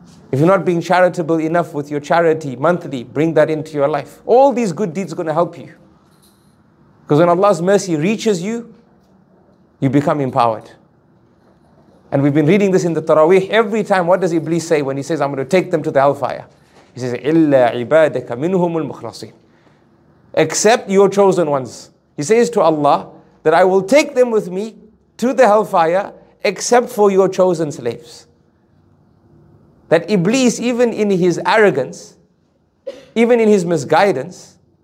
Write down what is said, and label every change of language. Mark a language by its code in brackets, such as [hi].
[en] If you're not being charitable enough with your charity monthly, bring that into your life. All these good deeds are going to help you. Because when Allah's mercy reaches you, you become empowered. And we've been reading this in the Taraweeh. Every time, what does Iblis say when he says, I'm going to take them to the hellfire? He says, [ar] إِلَّا عِبَادَكَ مِنْهُمُ الْمُخْلَصِينَ. [en] Except your chosen ones. He says to Allah that I will take them with me to the hellfire except for your chosen slaves. That Iblis, even in his arrogance, even in his misguidance,